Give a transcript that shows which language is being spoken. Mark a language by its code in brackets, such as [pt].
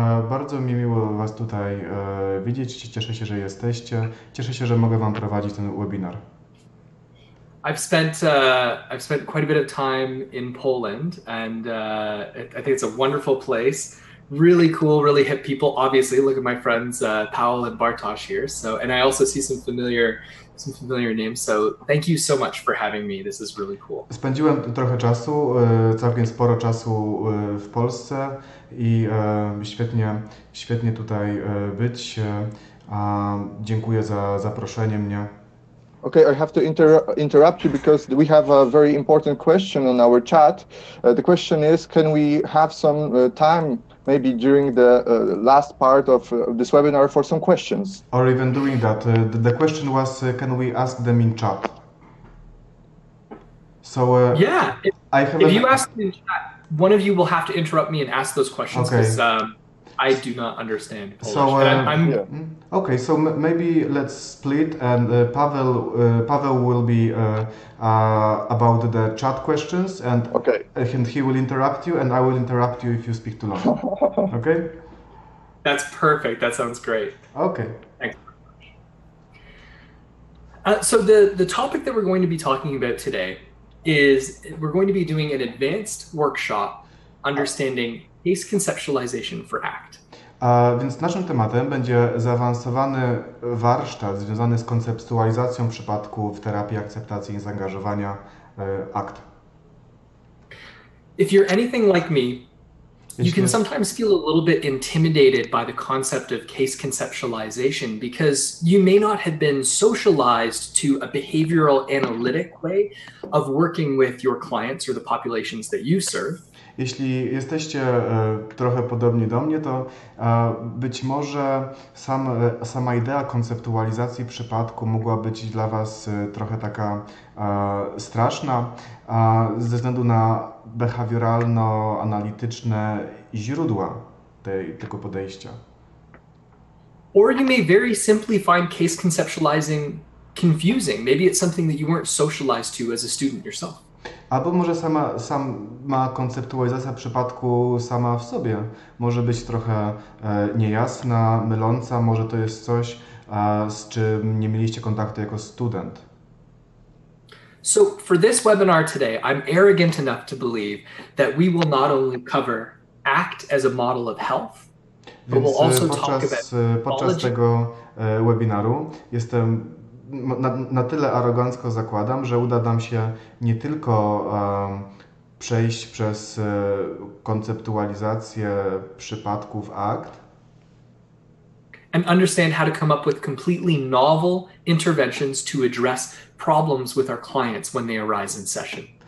[pl] Bardzo mi miło Was tutaj widzieć. Cieszę się, że jesteście. Cieszę się, że mogę Wam prowadzić ten webinar. [en] I've spent quite a bit of time in Poland, and I think it's a wonderful place. Really cool, really hip people. Obviously, look at my friends Paul and Bartosz here. So, and I also see some familiar names. So, thank you so much for having me. This is really cool. [pl] Spędziłem trochę czasu, całkiem sporo czasu w Polsce i świetnie, świetnie tutaj być. Dziękuję za zaproszenie mnie. [en] Okay, I have to interrupt you because we have a very important question on our chat. The question is, can we have some time, maybe during the last part of this webinar, for some questions? Or even during that, the question was, can we ask them in chat? So yeah, if you ask in chat, one of you will have to interrupt me and ask those questions because okay. I do not understand Polish. So I'm okay. So maybe let's split, and Pavel will be about the chat questions, and okay, and he will interrupt you, and I will interrupt you if you speak too long. Okay. That's perfect. That sounds great. Okay. Thanks. So the topic that we're going to be talking about today is we're going to be doing an advanced workshop understanding case conceptualization for ACT. [pl] Więc naszym tematem będzie zaawansowany warsztat związany z konceptualizacją przypadku w terapii akceptacji i zaangażowania ACT. [en] If you're anything like me, you can sometimes feel a little bit intimidated by the concept of case conceptualization because you may not have been socialized to a behavioral analytic way of working with your clients or the populations that you serve. [pl] Jeśli jesteście trochę podobni do mnie, to być może sama idea konceptualizacji przypadku mogła być dla Was trochę taka straszna ze względu na behawioralno-analityczne źródła tego podejścia. [en] Or you may very simply find case conceptualizing confusing. Maybe it's something that you weren't socialized to as a student yourself. [pl] Albo może sama konceptualizacja przypadku sama w sobie może być trochę niejasna, myląca, może to jest coś, z czym nie mieliście kontaktu jako student. [en] So for this webinar today, I'm arrogant enough to believe that we will not only cover ACT as a model of health, but we'll also [pl] podczas tego webinaru jestem na tyle arogancko zakładam, że uda nam się nie tylko przejść przez konceptualizację przypadków ACT [en] and understand how to come up with completely novel interventions to address problems with our clients when they arise in session.